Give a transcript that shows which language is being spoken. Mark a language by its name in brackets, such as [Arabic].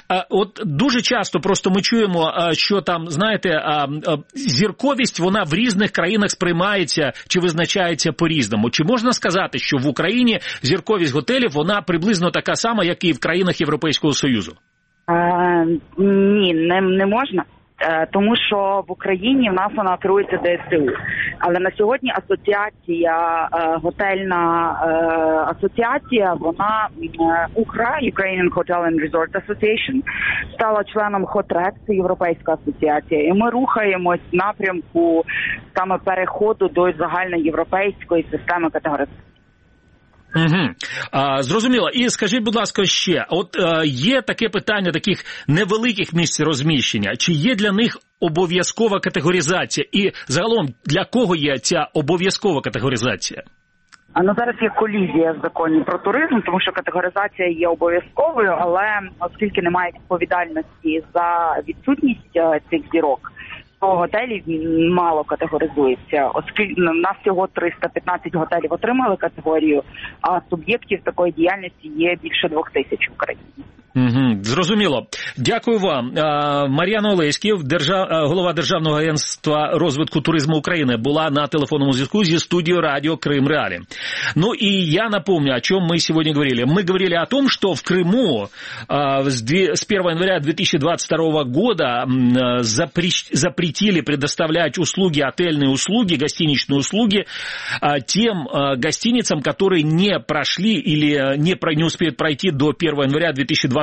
[Ukrainian] От дуже часто просто ми чуємо, що там, знаєте, зірковість, вона в різних країнах сприймається чи визначається по-різному. Чи можна сказати, що в Україні зірковість готелів, вона приблизно така сама, як і в країнах Європейського Союзу? Ні, не можна. Тому що в Україні в нас вона керується ДСТУ. Але на сьогодні асоціація, готельна асоціація, вона УКРА, [English] Ukrainian Hotel and Resort Association, [Ukrainian] стала членом ХОТРЕК, це Європейська асоціація. І ми рухаємось в напрямку саме переходу до загальноєвропейської системи категоризації. Угу. Зрозуміло. І скажіть, будь ласка, ще, от є таке питання таких невеликих місць розміщення, чи є для них обов'язкова категоризація? І загалом, для кого є ця обов'язкова категоризація? Ну, зараз є колізія в законі про туризм, тому що категоризація є обов'язковою, але оскільки немає відповідальності за відсутність цих зірок, по готелів мало категоризується, оскільки у нас всього 315 готелів отримали категорію, а суб'єктів такої діяльності є більше 2000 в Україні. Угу, зрозуміло. Дякую вам. Мар'яна Олеськів, голова Державного агентства розвитку туризму України, була на телефонному зв'язку зі студією радіо «Крим Реалі». Ну і я напомню, о чому ми сьогодні говорили. Ми говорили [Russian] о том, [Ukrainian] що в Криму з [Russian] 1 января 2022 года запретили предоставлять услуги, отельные услуги, гостиничные услуги тем гостиницам, которые не прошли или не успеют пройти до 1 января 2022 года.